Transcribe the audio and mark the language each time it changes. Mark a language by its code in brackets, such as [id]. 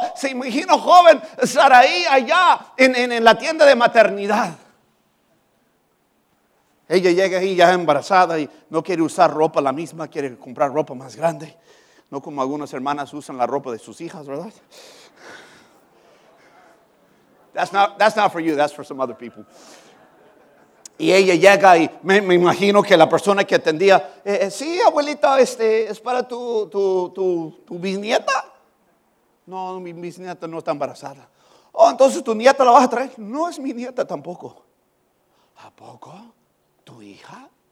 [es] Se imagina joven Sarai allá en la tienda de maternidad. Ella llega ahí ya embarazada y no quiere usar ropa la misma, quiere comprar ropa más grande. No como algunas hermanas usan la ropa de sus hijas, ¿verdad? [en] That's not for you, that's for some other people. [es] Y ella llega y me imagino que la persona que atendía, sí, abuelita, es para tu bisnieta. No, mi bisnieta no está embarazada. Oh, entonces tu nieta la vas a traer. No es mi nieta tampoco. ¿A poco? ¿Tu hija?